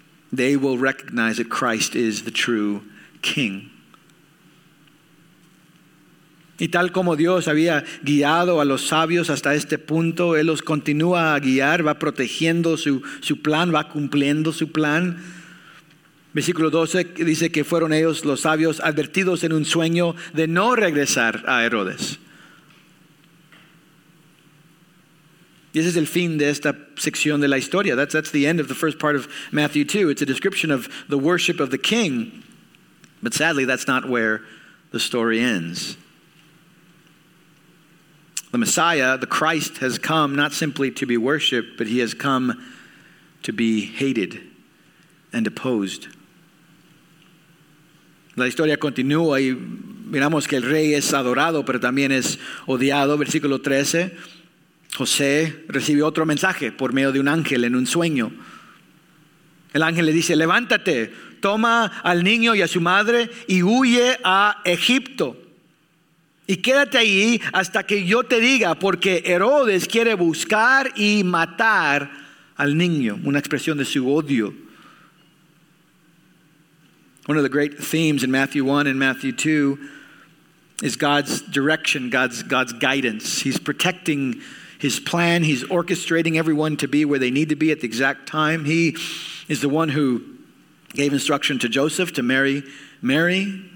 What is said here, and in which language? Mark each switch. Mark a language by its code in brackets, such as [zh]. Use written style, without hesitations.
[en] They will recognize that Christ is the true king. [es] Y tal como Dios había guiado a los sabios hasta este punto, Él los continúa a guiar, va protegiendo su plan, va cumpliendo su plan. Versículo 12 dice que fueron ellos, los sabios, advertidos en un sueño de no regresar a Herodes. Y ese es el fin de esta sección de la historia. [en] That's the end of the first part of Matthew 2. It's a description of the worship of the king. But sadly, that's not where the story ends. The Messiah, the Christ, has come not simply to be worshipped, but he has come to be hated and opposed. [es] La historia continúa y miramos que el rey es adorado, pero también es odiado. Versículo 13, José recibió otro mensaje por medio de un ángel en un sueño. El ángel le dice, levántate, toma al niño y a su madre y huye a Egipto. Y quédate ahí hasta que yo te diga, porque Herodes quiere buscar y matar al niño. Una expresión de su odio. [en] One of the great themes in Matthew 1 and Matthew 2 is God's direction, God's guidance. He's protecting his plan. He's orchestrating everyone to be where they need to be at the exact time. He is the one who gave instruction to Joseph to marry Mary.